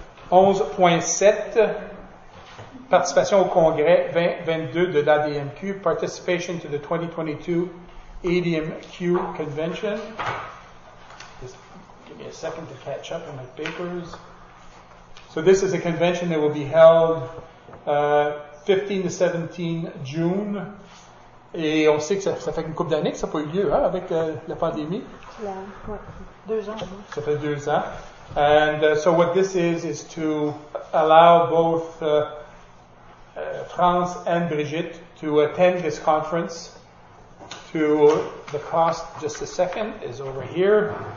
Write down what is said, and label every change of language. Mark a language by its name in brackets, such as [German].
[French] 11.7, participation au congrès 2022 de l'ADMQ, [English] participation to the 2022 ADMQ convention. Just give me a second to catch up on my papers. So this is a convention that will be held 15 to 17 June. [French] Et on sait que ça fait une couple d'années que ça n'a pas eu lieu, hein, avec la pandémie. Ouais, 2 ans. Hein. Ça fait 2 ans. [English] And so what this is to allow both France and Brigitte to attend this conference to the cost, just a second, is over here.